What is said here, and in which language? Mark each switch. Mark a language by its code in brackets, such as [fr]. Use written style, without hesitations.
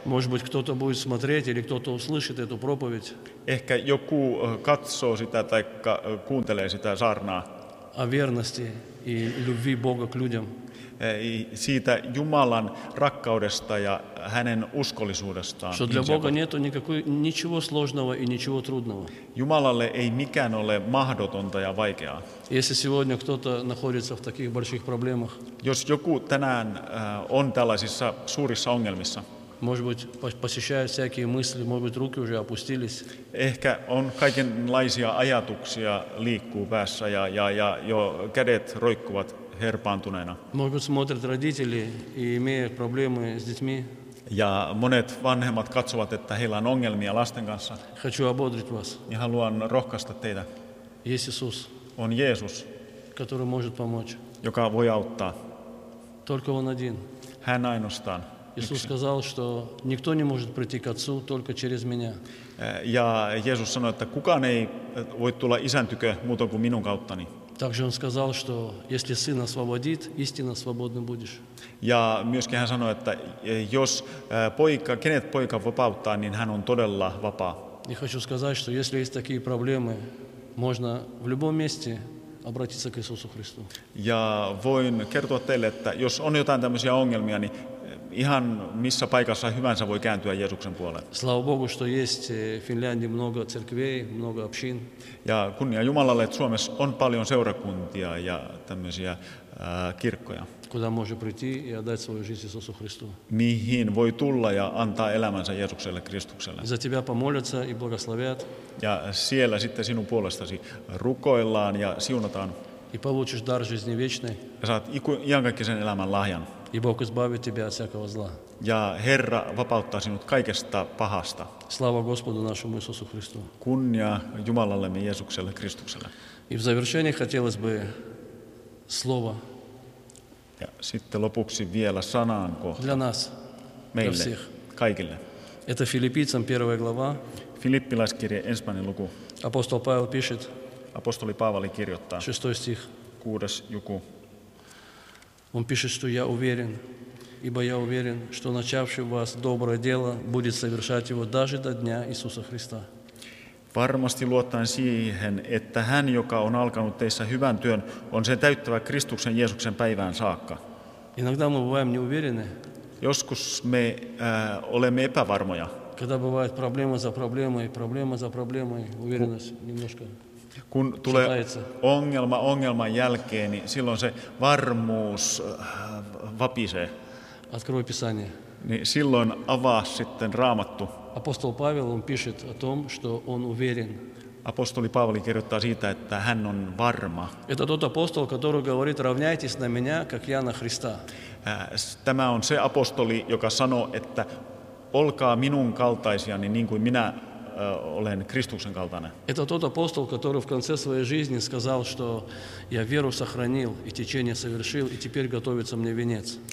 [ru] Может быть, кто-то будет смотреть или кто-то услышит эту проповедь. [fi] Ehkä joku katsoo sitä tai kuuntelee sitä saarnaa. [ru] О верности и любви Бога к людям. [fi] Siitä Jumalan rakkaudesta ja hänen uskollisuudestaan. [ru] Что для Бога нету ничего сложного и ничего трудного. [fi] Jumalalle ei mikään ole mahdotonta ja vaikeaa. [ru] Если сегодня кто-то находится в таких больших проблемах. [fi] Jos joku tänään on tällaisissa suurissa ongelmissa. [ru] Может быть, посещают всякие мысли, может быть, руки уже опустились. [fi] Ehkä on kaikenlaisia ajatuksia liikkuu päässä ja jo kädet roikkuvat. Herpaantuneena. [ru] Могут смотреть родители и имеют проблемы с детьми. [fi] Ja monet vanhemmat katsovat, että heillä on ongelmia lasten kanssa. [ru] Хочу ободрить вас. [fi] Ja haluan rohkaista teitä. [ru] Есть Иисус. [fi] On Jeesus. [ru] Который может помочь. [fi] Joka voi auttaa. [ru] Только он один. [fi] Hän ainoastaan. [ru] Иисус сказал, что никто не может прийти к Отцу только через меня. [fi] Ja Jeesus sanoi, että kukaan ei voi tulla isän tykö muuta kuin minun kauttani. [ru] Также он сказал, что если сын освободит, истинно свободным будешь. [fi] Ja myöskin hän sanoi, että jos poika, kenet poika vapauttaa, niin hän on todella vapaa. [ru] И хочу сказать, что если есть такие проблемы, можно в любом месте обратиться к Иисусу Христу. [fi] Ja voin kertoa teille, että jos on jotain tämmöisiä ongelmia, niin ihan missä paikassa hyvänsä voi kääntyä Jeesuksen puoleen. [ru] Слава Богу, что есть в Финляндии много церквей, много общин. [fi] Ja kunnia Jumalalle, että Suomessa on paljon seurakuntia ja tämmöisiä kirkkoja. [ru] Куда можно прийти и отдать свою жизнь Иисусу Христу. [fi] Mihin voi tulla ja antaa elämänsä Jeesukselle Kristukselle. [ru] За тебя помолятся и благословят. [fi] Ja siellä sitten sinun puolestasi rukoillaan ja siunataan. [ru] И получишь дар жизни вечной. [fi] Saat iankaikkisen elämän lahjan. [ru] И Бог избавит тебя от всякого зла. [fi] Ja Herra vapauttaa sinut kaikesta pahasta. [ru] Слава Господу нашему Иисусу Христу. [fi] Kunnia Jumalallemme Jeesukselle Kristukselle. [ru] И в завершение хотелось бы слово. [fi] Ja sitten lopuksi vielä sanaan kohta. [ru] Для нас. [fi] Meille. [ru] Для всех. [fi] Kaikille. [ru] Это Филиппийцам 1 глава. [fi] Филиппиläiskirje 1. luku. [ru] Апостол Павел пишет. [fi] Апостоли Павел kirjoittaa. [ru] 6. стих. [fi] 6. luku. [ru] Он пишет, что я уверен, ибо я уверен, что начавший в вас доброе дело будет совершать его даже до дня Иисуса Христа. [fi] Varmasti luottaen siihen, että hän, joka on alkanut teissä hyvän työn, on sen täyttävä Kristuksen Jeesuksen päivään saakka. [ru] Иногда мы бываем неуверены. [fi] Joskus me olemme epävarmoja. [ru] Когда бывает проблема за проблемой, проблема за проблемой, уверенность немножко. [fi] Kun tulee ongelma ongelman jälkeen, niin silloin se varmuus vapisee. [ru] Открой Писание. [fi] Niin silloin avaa sitten Raamattu. [ru] Апостол Павел он пишет о том, что он уверен. [fi] Апостоли Павли kirjoittaa siitä, että hän on varma. [ru] Это тот апостол, который говорит: равняйтесь на меня, как я на Христа. [fi] Tämä on se apostoli, joka sanoo, että olkaa minun kaltaisiani niin kuin minä olen Kristuksen kaltainen. [ru] Это тот апостол, который в конце своей жизни сказал, что я веру сохранил и течение совершил и теперь готовится мне венец.